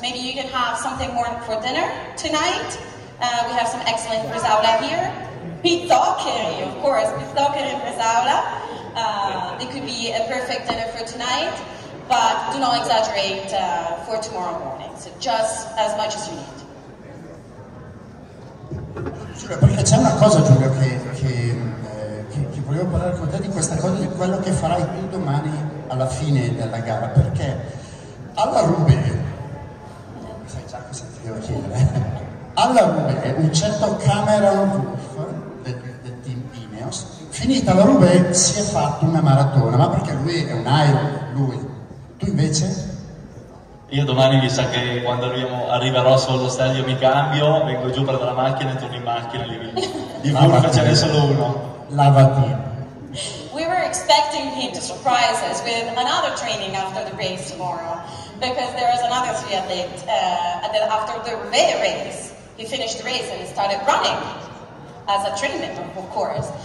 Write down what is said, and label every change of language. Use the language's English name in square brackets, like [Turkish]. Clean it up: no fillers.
[English] Maybe you can have something more for dinner tonight. We have some excellent bresaola here. Pitocchi, of course, pitocchi and bresaola. It could be a perfect dinner for tonight, but do not exaggerate for tomorrow morning. So just as much as you need. [Italian] Giulio, perché c'è una cosa Giulio che volevo parlare con te di questa cosa, di quello che farai tu domani alla fine della gara, perché alla Rube, sai già cosa ti devo chiedere, alla Rube un certo Cameron Wolf del team Ineos, finita la Rube si è fatto una maratona, ma perché lui è un Iron, lui, tu invece? Io domani mi sa che quando arriverò sullo stadio mi cambio, vengo giù per la macchina e torno in macchina lì. Di fuori ce n'è solo uno. Lavatino. [English] We were expecting him to surprise us with another training after the race tomorrow, because there is another triathlete after the Roubaix race. He finished the race and he started running as a treatment, of course.